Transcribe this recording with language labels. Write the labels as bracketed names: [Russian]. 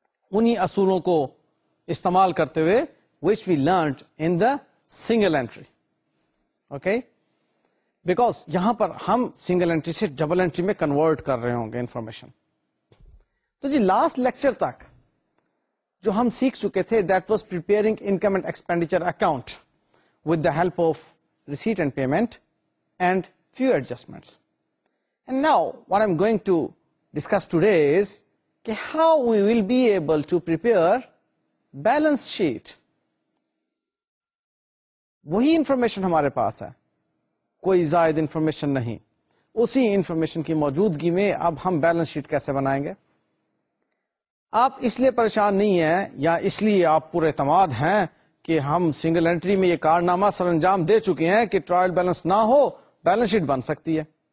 [Urdu] انہیں اصولوں کو استعمال کرتے ہوئے [English] Which we learned in the single entry. [Urdu] Okay, because یہاں پر ہم سنگل انٹری سے ڈبل انٹری میں کنورٹ کر رہے ہوں گے انفارمیشن۔ تو جی، لاسٹ لیکچر تک جو ہم سیکھ چکے تھے [English] That was preparing income and expenditure account with the help of receipt and payment and few adjustments. And now what I'm going to discuss today is how we will be able to prepare balance sheet. [Urdu] وہی information ہمارے پاس ہے، کوئی زائد information نہیں، اسی information کی موجودگی میں اب ہم balance sheet کیسے بنائیں گے۔ آپ اس لیے پریشان نہیں ہیں یا اس لیے آپ پورے اعتماد ہیں کہ ہم سنگل انٹری میں یہ کارنامہ سر انجام دے چکے ہیں کہ ٹرائل بیلنس نہ ہو بیلنس شیٹ بن سکتی ہے،